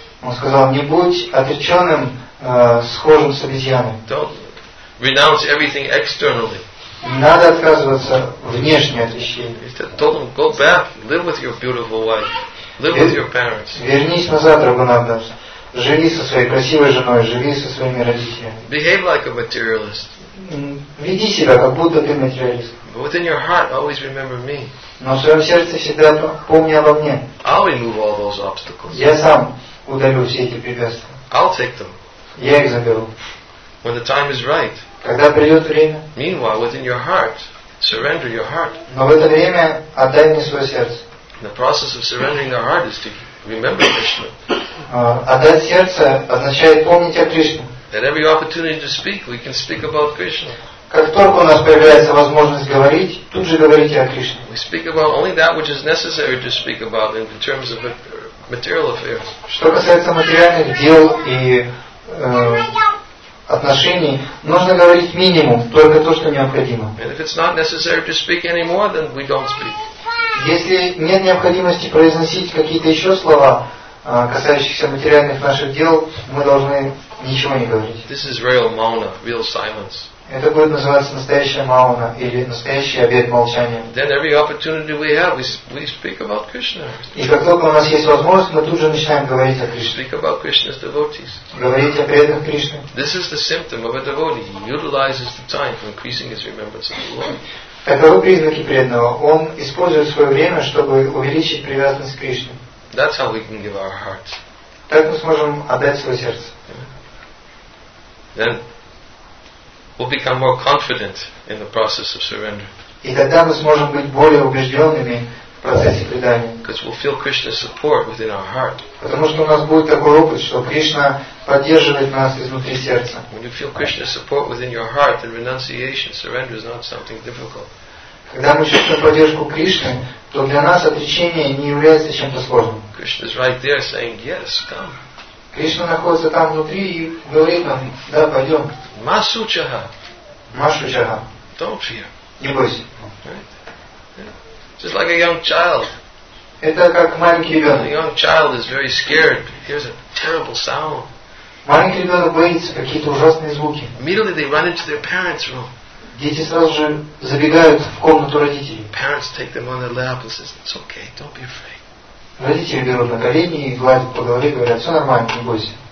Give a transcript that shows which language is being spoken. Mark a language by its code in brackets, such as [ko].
[ru] Он сказал, не будь отреченным, схожим с обезьяной. [en] Don't renounce everything externally. [ru] Не надо отказываться внешне от вещей. [en] He said, told him, go back, live with your beautiful wife, live with your parents. [ru] Вернись назад, Рагунатха. Живи со своей красивой женой, живи со своими родителями. [en] Behave like a materialist. [ru] Веди себя, как будто ты материалист. [en] But within your heart, always remember me. [ru] Но в своем сердце всегда помни обо мне. [en] I'll remove all those obstacles. [ru] Я сам удалю все эти препятствия. [en] I'll take them. [ru] Я их заберу. [en] When the time is right. [ru] Когда придет время. [en] Meanwhile, within your heart, surrender your heart. [ru] Но в это время отдай мне свое сердце. [en] The process of surrendering the heart is to remember Krishna. [ru] Отдать сердце означает помнить о Кришне. [en] At every opportunity to speak, we can speak about Krishna. [ru] Как только у нас появляется возможность говорить, тут же говорите о Кришне. [en] We speak about only that which is necessary to speak about in terms of material affairs. [ru] Что касается материальных дел и отношений, нужно говорить минимум, только то, что необходимо. [en] And if it's not necessary to speak anymore, then we don't speak. [ru] Если нет необходимости произносить какие-то еще слова, касающихся материальных наших дел, мы должны ничего не говорить. [en] This is real mauna, real silence. [ru] Это будет называться настоящая мауна или настоящий обет молчания. [en] Then every opportunity we have, we speak about Krishna. [ru] И как только у нас есть возможность, мы тут же начинаем говорить о Кришне. [en] Speak about Krishna's devotees. [ru] Говорить о преданных Кришне. [en] This is the symptom of a devotee. He utilizes the time for increasing his remembrance of the Lord. [ru] Таковы признаки преданного. Он использует свое время, чтобы увеличить привязанность к Кришне. [en] That's how we can give our hearts. [ru] Так мы сможем отдать свое сердце. [en] Then we'll become more confident in the process of surrender. [ru] И тогда мы сможем быть более убежденными в процессе предания. [en] Because we'll feel Krishna's support within our heart. [ru] Потому что у нас будет такой опыт, что Кришна поддерживает нас изнутри сердца. [en] When you feel Krishna's support within your heart, then renunciation, surrender is not something difficult. [ru] Когда мы чувствуем поддержку Кришны, то для нас отречение не является чем-то сложным. [en] Krishna is right there saying, yes, come. [ru] Кришна находится там внутри и говорит нам, да, пойдем. [sa] Масучаха. Масучаха. [en] Don't fear. [ru] Не бойся. [en] Right? Yeah. Just like a young child. [ru] Это как маленький ребенок. [en] A young child is very scared. Here's a terrible sound. [ru] Маленький ребенок боится какие-то ужасные звуки. [en] Immediately they run into their parents' room. [ru] Дети сразу же забегают в комнату родителей. [en] Parents take them on their lap and says, it's okay, don't be afraid. [ru] Родители берут на колени и гладят по голове, говорят, все нормально, не бойся.